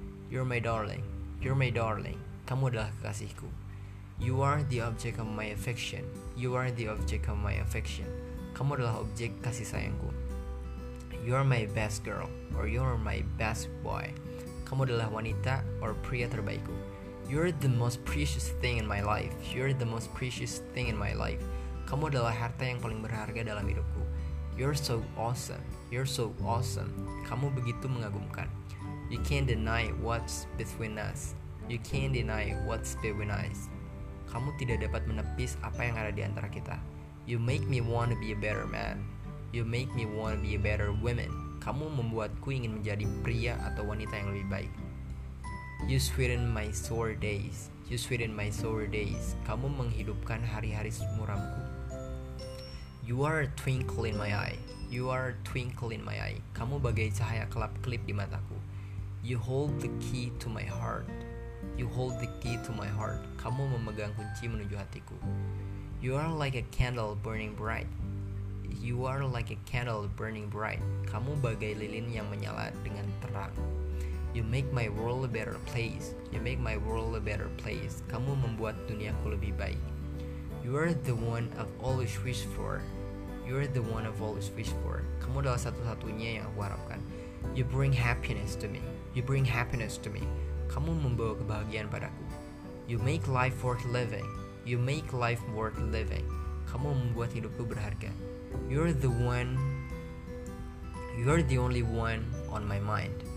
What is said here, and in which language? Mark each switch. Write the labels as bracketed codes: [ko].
[en] You're my darling. You're my darling. [id] Kamu adalah kekasihku. [en] You are the object of my affection. You are the object of my affection. [id] Kamu adalah objek kasih sayangku. [en] You're my best girl, or you're my best boy. [id] Kamu adalah wanita or pria terbaikku. [en] You're the most precious thing in my life. You're the most precious thing in my life. [id] Kamu adalah harta yang paling berharga dalam hidupku. [en] You're so awesome. You're so awesome. [id] Kamu begitu mengagumkan. [en] You can't deny what's between us. You can't deny what's between us. [id] Kamu tidak dapat menepis apa yang ada di antara kita. [en] You make me want to be a better man. You make me want to be a better woman. [id] Kamu membuatku ingin menjadi pria atau wanita yang lebih baik. [en] You sweeten my sore days. You sweeten my sore days. [id] Kamu menghidupkan hari-hari muramku. [en] You are a twinkle in my eye. You are a twinkle in my eye. [id] Kamu bagai cahaya kelap-kelip di mataku. [en] You hold the key to my heart. You hold the key to my heart. [id] Kamu memegang kunci menuju hatiku. [en] You are like a candle burning bright. You are like a candle burning bright. [id] Kamu bagai lilin yang menyala dengan terang. [en] You make my world a better place. You make my world a better place. [id] Kamu membuat duniaku lebih baik. [en] You are the one I've always wished for. You are the one I've always wished for. [id] Kamu adalah satu-satunya yang aku harapkan. [en] You bring happiness to me. You bring happiness to me. [id] Kamu membawa kebahagiaan padaku. [en] You make life worth living. You make life worth living. [id] Kamu membuat hidupku berharga. [en] You're the one. You're the only one on my mind.